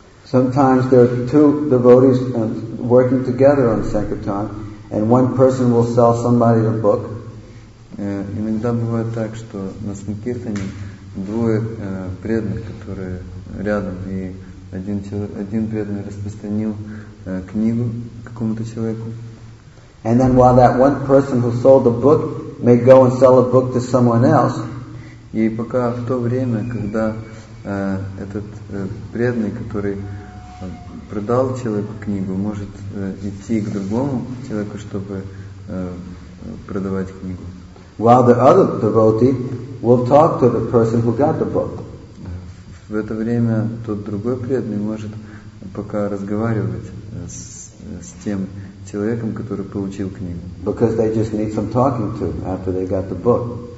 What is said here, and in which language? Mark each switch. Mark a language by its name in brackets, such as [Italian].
[English] Sometimes there are two devotees working together on sankirtan, and one person will sell somebody the book. [Russian] Иногда бывает так, что на санкиртане двое преданных, которые рядом, и один преданный распространил книгу какому-то человеку. [English] And then while that one person who sold the book may go and sell a book to someone else. [Russian] И пока в то время, когда этот преданный, который продал человеку книгу, может идти к другому человеку, чтобы продавать книгу. [English] While the other devotee will talk to the person who got the book. [Russian] В это время тот другой преданный может пока разговаривать с тем человеком, который получил книгу. [English] Because they just need some talking to after they got the book.